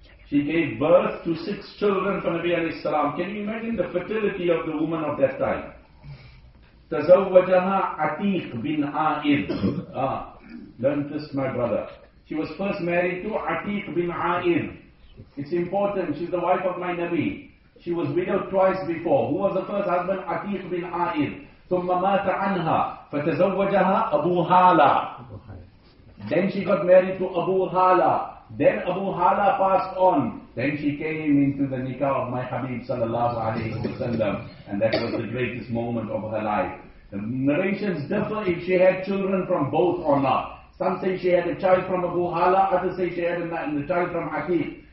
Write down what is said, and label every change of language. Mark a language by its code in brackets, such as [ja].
[en] She gave birth to 6 children from Nabi alayhi salam. Can you imagine the fertility of the woman of that time? [ar] تزوجها عتيق بن عائد. [en] Learn this, my brother. She was first married to Atiq bin A'in. It's important, she's the wife of my Nabi. She was widowed twice before. Who was the first husband? Atiq bin A'in. [ar] ثم مات عنها فتزوجها أبو هالة. [en] Then she got married to Abu Hala. Then Abu Hala passed on. Then she came into the nikah of my Habib sallallahu alayhi wa sallam. And that was the greatest moment of her life. The narrations differ if she had children from both or not. Some say she had a child from Abu Hala, others say she had a child from Atiq.